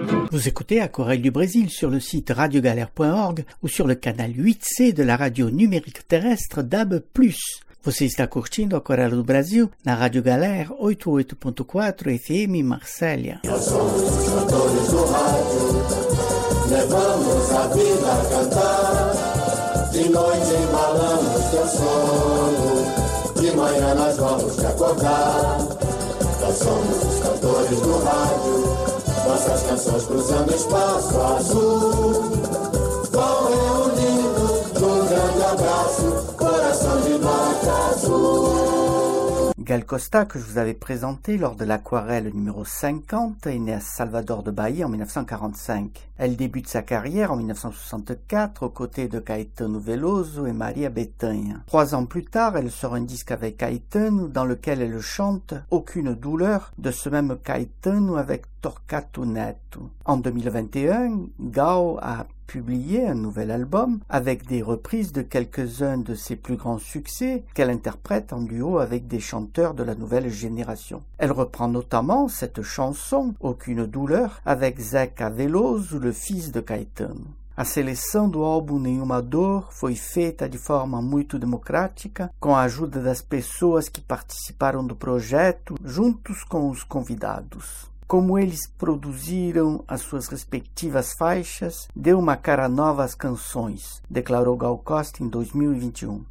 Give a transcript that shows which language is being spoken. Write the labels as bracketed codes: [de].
[fr] Vous écoutez Aquarelle du Brésil sur le site radiogalère.org ou sur le canal 8C de la radio numérique terrestre DAB+. [pt] Você está curtindo Aquarelle do Brasil na Rádio Galère 88.4 FM Marselha. Levamos a vida a cantar, de noite embalamos teu sono, de manhã nós vamos te acordar. Nós somos os cantores do rádio, nossas canções cruzando espaço azul, vão reunindo num grande abraço, coração de vaca azul. [fr] Gal Costa, que je vous avais présenté lors de l'aquarelle numéro 50, est née à Salvador de Bahia en 1945. Elle débute sa carrière en 1964 aux côtés de Caetano Veloso et Maria Bethânia. Trois ans plus tard, elle sort un disque avec Caetano dans lequel elle chante « Aucune douleur » de ce même Caetano avec Torquato Neto. En 2021, Gal a publié un nouvel album avec des reprises de quelques-uns de ses plus grands succès qu'elle interprète en duo avec des chanteurs de la nouvelle génération. Elle reprend notamment cette chanson « Aucune douleur » avec Zeca Veloso, le fils de Caetano. [pt] A seleção do álbum Nenhuma Dor foi feita de forma muito democrática, com a ajuda das pessoas que participaram do projeto, juntos com os convidados. Como eles produziram as suas respectivas faixas, deu uma cara nova às canções, declarou Gal Costa em 2021.